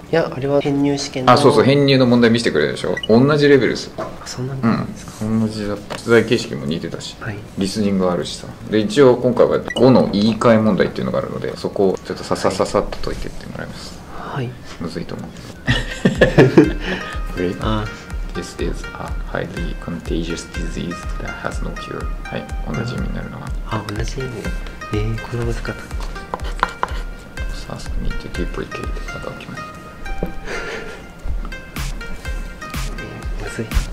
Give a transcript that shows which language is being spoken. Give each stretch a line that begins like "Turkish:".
Japanese: いや、あれは編入試験の、あ、そうそう、編入の問題見せてくれたでしょ。同じレベルですよ。そんなことないですか。うん、同じだ。出題形式も似てたし、はい、リスニングあるしさ。で一応今回は語の言い換え問題っていうのがあるので、そこをちょっとさささっと解いてってもらいます。はい、むずいと思う。Great.
English: This is a highly contagious disease that has no cure.
Japanese: はい、同じ意味になるのは、あ、同じ意味。これ難かった。さすがに言って、duplicate が起きます。 むずい。